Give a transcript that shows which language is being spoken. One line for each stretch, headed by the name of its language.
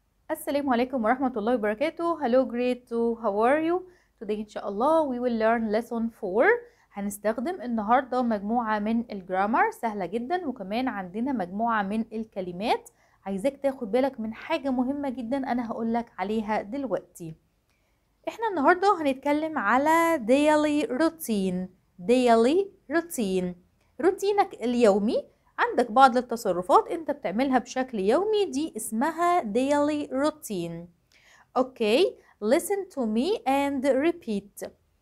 Arabic: السلام عليكم ورحمة الله وبركاته.
English: Hello grade 2, how are you? Today
Arabic: إن شاء الله
English: we will learn lesson 4.
Arabic: هنستخدم النهاردة مجموعة من الجرامر سهلة جدا، وكمان عندنا مجموعة من الكلمات. عايزك تاخد بالك من حاجة مهمة جدا أنا هقولك عليها دلوقتي. إحنا النهاردة هنتكلم على daily routine. daily routine روتينك اليومي، عندك بعض التصرفات انت بتعملها بشكل يومي، دي اسمها daily routine.
English: okay, listen to me and repeat.